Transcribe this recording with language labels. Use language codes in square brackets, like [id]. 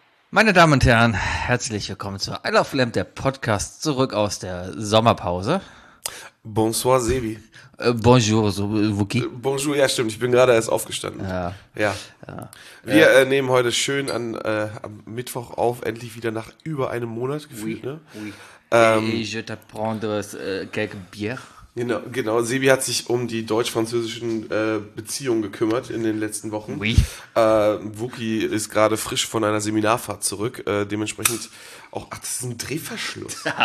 [de] Meine Damen und Herren, herzlich willkommen zu Isle of Lamp, der Podcast, zurück aus der Sommerpause. [fr] Bonsoir, Sebi. Bonjour, so, Wookie. [de] Bonjour, ja stimmt, ich bin gerade erst aufgestanden. Ja. Ja. Wir nehmen heute schön am Mittwoch auf, endlich wieder nach über einem Monat gefühlt. [fr] Oui, [de] ne? [fr] Oui. Je te prendrais quelques bières. [de] Genau, Sebi hat sich um die deutsch-französischen Beziehungen gekümmert in den letzten Wochen. [fr] Oui. [de] Wookie ist gerade frisch von einer Seminarfahrt zurück, dementsprechend auch, ach, das ist ein Drehverschluss.